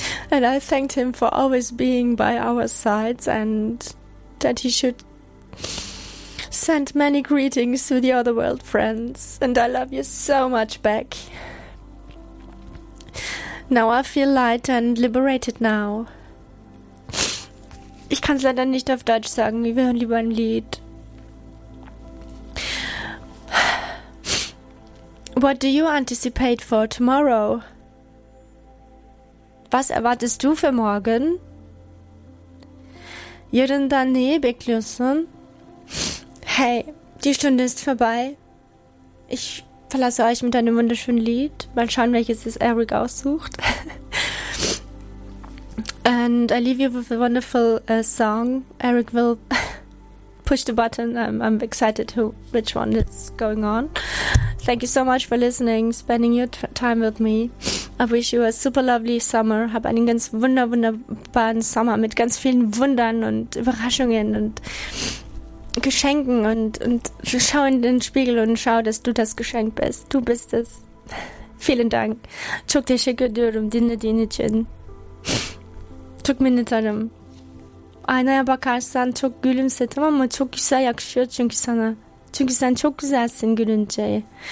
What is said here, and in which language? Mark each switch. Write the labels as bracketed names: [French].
[English] And I thanked him for always being by our sides and that he should send many greetings to the other world friends. And I love you so much, Beck. Now I feel light and liberated now. [German] Ich kann es leider nicht auf Deutsch sagen, wir hören lieber ein Lied. [English] What do you anticipate for tomorrow? [German] Was erwartest du für morgen? [Turkish] Yarındane bekliyorsun? [German] Hey, die Stunde ist vorbei. Ich verlasse euch mit einem wunderschönen Lied. Mal schauen, welches es Eric aussucht. [English] And I leave you with a wonderful song. Eric will push the button. I'm excited to which one is going on. Thank you so much for listening, spending your time with me. I wish you a super lovely summer. [German] Hab einen ganz wunderbaren Sommer mit ganz vielen Wundern und Überraschungen und Geschenken. Und schau in den Spiegel und schau, dass du das Geschenk bist. Du bist es. Vielen Dank. [Turkish] Çok teşekkür ediyorum dinlediğin için. Çok minnettarım. Aynaya bakarsan çok gülümsedim ama çok güzel yakışıyor çünkü sana. Çünkü sen çok güzelsin gülünce.